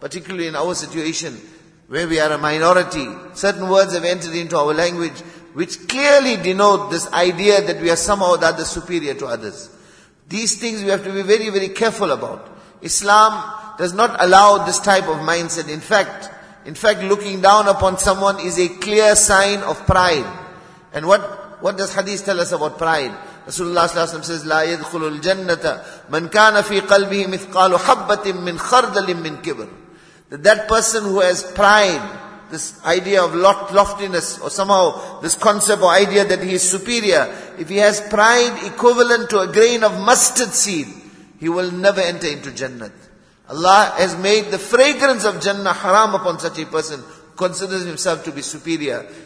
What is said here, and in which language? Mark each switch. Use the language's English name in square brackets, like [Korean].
[English] Particularly in our situation, where we are a minority, certain words have entered into our language which clearly denote this idea that we are somehow or the other superior to others. These things we have to be very, very careful about. Islam does not allow this type of mindset. In fact, looking down upon someone is a clear sign of pride. And what does hadith tell us about pride? Rasulullah sallallahu alaihi wasallam says, [Arabic] لا يدخل الجنة من كان في قلبه مثقال حبة من خردل من كبر. [English] That person who has pride, this idea of loftiness, or somehow this concept or idea that he is superior, if he has pride equivalent to a grain of mustard seed, he will never enter into Jannah. Allah has made the fragrance of Jannah haram upon such a person who considers himself to be superior.